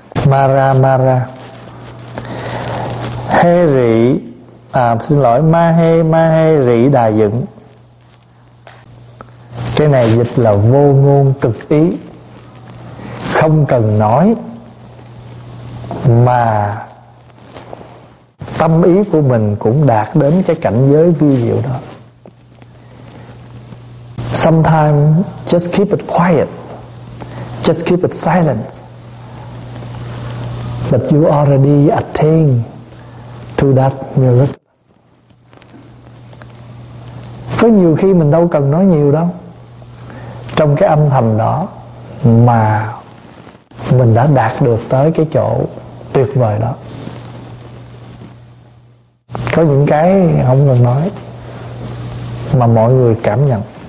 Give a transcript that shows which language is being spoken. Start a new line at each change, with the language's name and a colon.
Vietnamese: Mara mara he rị, xin lỗi, ma he rị đà dựng, cái này dịch là vô ngôn cực ý, không cần nói mà tâm ý của mình cũng đạt đến cái cảnh giới vi diệu đó.
English: Sometimes just keep it quiet, just keep it silent, but you already attain to that miracle.
Vietnamese: Có nhiều khi mình đâu cần nói nhiều đâu, trong cái âm thầm đó mà mình đã đạt được tới cái chỗ tuyệt vời đó. Có những cái không cần nói mà mọi người cảm nhận.